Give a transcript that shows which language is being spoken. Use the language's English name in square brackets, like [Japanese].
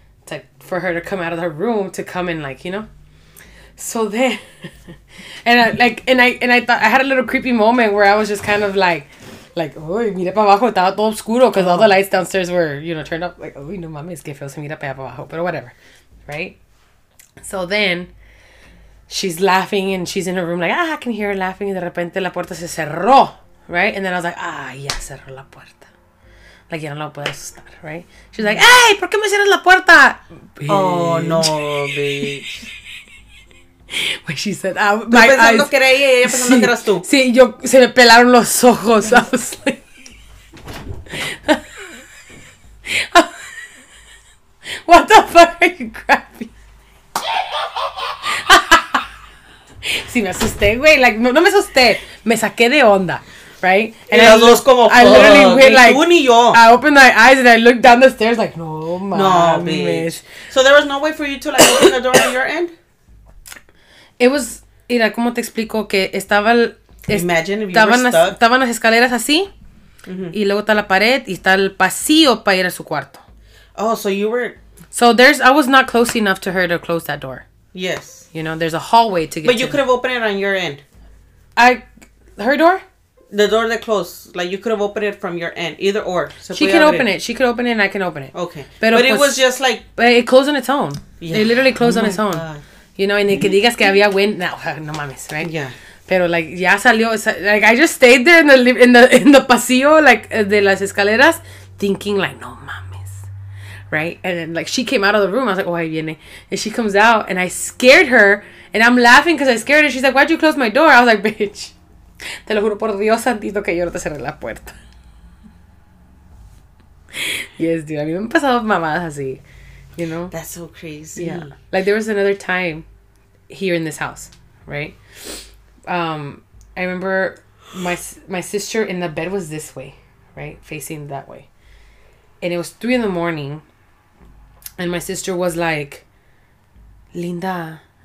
[English] Like, for her to come out of her room to come in, like, you know. So then and I thought I had a little creepy moment where I was just kind of like, [Spanish] uy, mira para abajo, estaba todo oscuro [English] because all the lights downstairs were, you know, turned up, like, [Spanish] uy, no mames, que feo se mira para abajo, [English] but whatever, right? So then she's laughing and she's in her room, like, ah, I can hear her laughing, and [Spanish] de repente la puerta se cerró, [English] right? And then I was like, [Spanish] ah, ya cerró la puerta. [English] Like, you don't know, but it's not, right? She's like, hey, [Spanish] ¿por qué me cierras la puerta? [English] Bitch. Oh, no, bitch. When she said, my eyes. [Spanish] Pensando que era ella, ella pensando que eras tú. Sí, yo, se me pelaron los ojos. [English] I was like, what the fuck are you grabbing? [Spanish] Sí, me asusté, güey. Like, no me asusté. Me saqué de onda. Right? [English] And I literally went, like, I opened my eyes and I looked down the stairs, like, no. my bitch. So there was no way for you to like open the door on your end? [Spanish] It was, mira, ¿cómo te explico? Que estaba, [English] imagine if you [Spanish] estaban, [English] were stuck. [Spanish] Estaban las escaleras así, mm-hmm. y luego está la pared, y está el pasillo para ir a su cuarto. [English] Oh, so you were... So there's, I was not close enough to her to close that door. Yes. You know, there's a hallway to get but to you could have opened it on your end. I, her door? The door that closed. Like, you could have opened it from your end, either or. So she can open it. She could open it and I can open it. Okay. But it was just like... But it closed on its own. Yeah. It literally closed on its own. God. You know, and [Spanish] que digas que había [English] wind. [Spanish] No, no mames, right? [English] Yeah. Pero, like, [Spanish] ya salió. [English] Like, I just stayed there in the pasillo, like, [Spanish] de las escaleras, [English] thinking, like, [Spanish] no mames. [English] Right? And then, like, she came out of the room. I was like, oh, [Spanish] ahí viene. [English] And she comes out, and I scared her. And I'm laughing because I scared her. She's like, why'd you close my door? I was like, bitch. [Spanish] Te lo juro por Dios santito que yo no te cerré la puerta. [English] Yes, dude. [Spanish] A mí me han pasado mamadas así. [English] You know? That's so crazy. Yeah. Like, there was another time here in this house, right? I remember my sister in the bed was this way, right? Facing that way. And it was 3 a.m. And my sister was like, Linda.